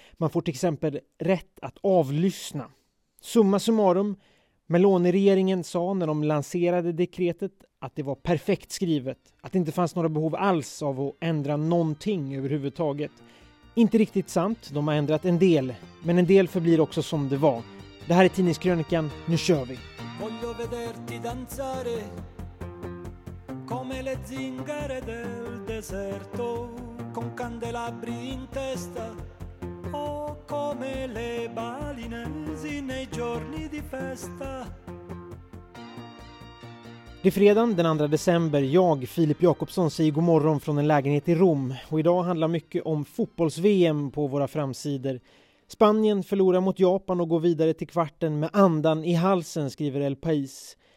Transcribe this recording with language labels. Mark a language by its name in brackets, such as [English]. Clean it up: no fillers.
[Swedish] Man får till exempel rätt att avlyssna. Summa summarum, Meloni-regeringen sa när de lanserade dekretet att det var perfekt skrivet. Att det inte fanns några behov alls av att ändra någonting överhuvudtaget. Inte riktigt sant, de har ändrat en del. Men en del förblir också som det var. Det här är tidningskrönikan, nu kör vi! [Italian] Voglio vederti danzare come le zingare del deserto con candelabri in testa o come le balinesi nei giorni di festa. [Swedish] Det är fredagen den 2 december. Jag, Filip Jakobsson, säger god morgon från en lägenhet i Rom. Och idag handlar mycket om fotbolls-VM på våra framsidor. Spanien förlorar mot Japan och går vidare till kvarten med andan i halsen, skriver El País.